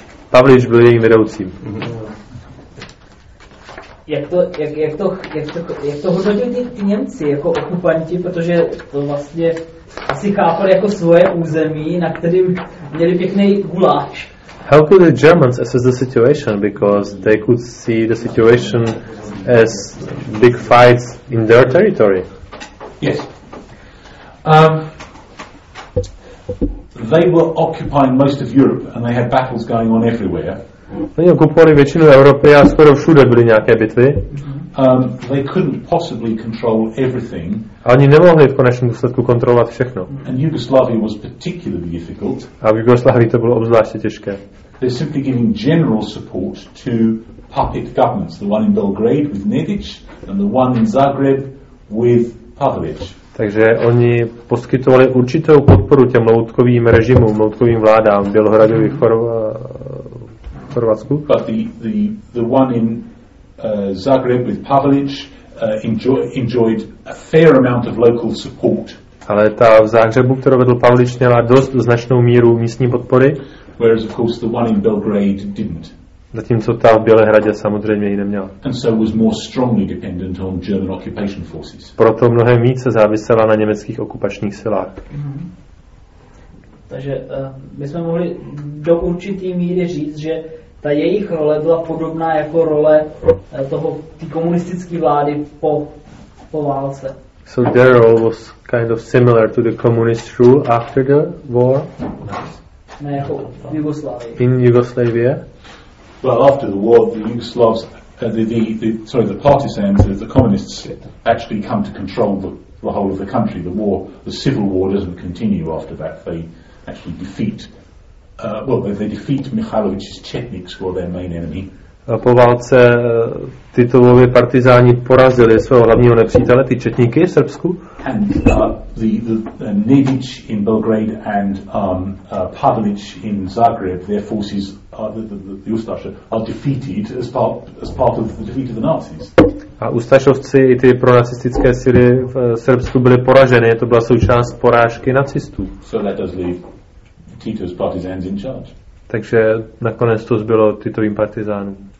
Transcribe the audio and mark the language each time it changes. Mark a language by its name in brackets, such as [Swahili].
[Czech] Pavlič byl jejím vedoucím. Jak to hodnotili ty Němci jako okupanti, protože to vlastně asi chápali jako svoje území, na kterým měli pěkný guláš. [English] How could the Germans assess the situation? Because they could see the situation as big fights in their territory. Yes. They were occupying most of Europe and they had battles going on everywhere. [Czech] Oni okupovali většinu Evropy a skoro všude byly nějaké bitvy. [English] They couldn't possibly control everything. [Czech] A oni nemohli v konečném důsledku kontrolovat všechno. [English] And Yugoslavia was particularly difficult. [Czech] A v Jugoslávii to bylo obzvláště těžké. [English] They're simply giving general support to puppet governments, the one in Belgrade with Nedić and the one in Zagreb with Pavlović. [Czech] Takže oni poskytovali určitou podporu těm loutkovým režimům, loutkovým vládám Bělohradu i Chorvatsku. [English] But the one in Zagreb with Pavlić enjoyed a fair amount of local support. [Czech] Ale ta v Zagrebu, kterou vedl Pavlić, měla dost značnou míru místní podpory. [English] Whereas of course the one in Belgrade didn't. [Czech] Zatímco ta v Bělehradě samozřejmě ji neměla. [English] And so was more strongly dependent on German occupation forces. [Czech] Proto mnohem více závisela na německých okupačních silách. Takže my jsme mohli do určitý míry říct, že ta jejich role byla podobná jako role toho ty komunistické vlády po válce. [English] So their role was kind of similar to the communist rule after the war? [Czech] Ne, jako v Jugoslávii. [English] In Yugoslavia? Well, after the war, the Yugoslavs, the partisans, the communists actually come to control the whole of the country. The civil war doesn't continue after that. actually defeat they defeat Michalovich's Chetniks, who are their main enemy. [Czech] Po válce Titovovi partizáni porazili svého hlavního nepřítele, ty četníky v Srbsku. [English] And the Nedić in Belgrade and Pavelić in Zagreb, their forces the Ustaše are defeated as part of the defeat of the Nazis. [Czech] A Ustašovci i ty pronacistické síly v Srbsku byly poraženy, to byla součást porážky nacistů. [English] So that does leave Tito's partisans in charge. [Czech] Takže nakonec to zbylo Titovým partizánům.